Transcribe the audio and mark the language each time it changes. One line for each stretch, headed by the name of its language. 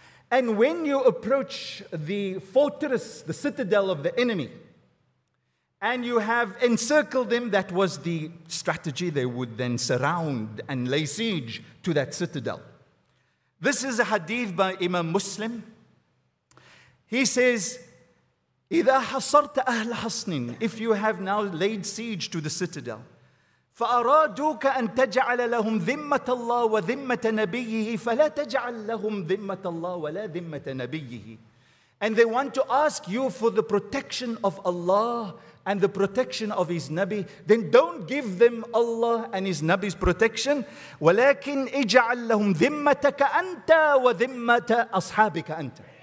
English: And when you approach the fortress, the citadel of the enemy, and you have encircled them, that was the strategy, they would then surround and lay siege to that citadel. This is a hadith by Imam Muslim. He says,
Arabic: إِذَا حَصَرْتَ أَهْلَ حَصْنٍ,
English: if you have now laid siege to the citadel,
Arabic: فَأَرَادُوكَ أَن تَجْعَلَ لَهُمْ ذِمَّةَ اللَّهِ وَذِمَّةَ نَبِيِّهِ فَلَا تَجْعَلْ لَهُمْ ذِمَّةَ اللَّهِ وَلَا ذِمَّةَ نَبِيِّهِ.
English: And they want to ask you for the protection of Allah and the protection of His Nabi, then don't give them Allah and His Nabi's protection.
Arabic: وَلَكِنْ اِجْعَلْ لَهُمْ ذِمَّتَكَ أَنْتَ وَذِمَّةَ أَصْحَابِكَ أَنْتَ.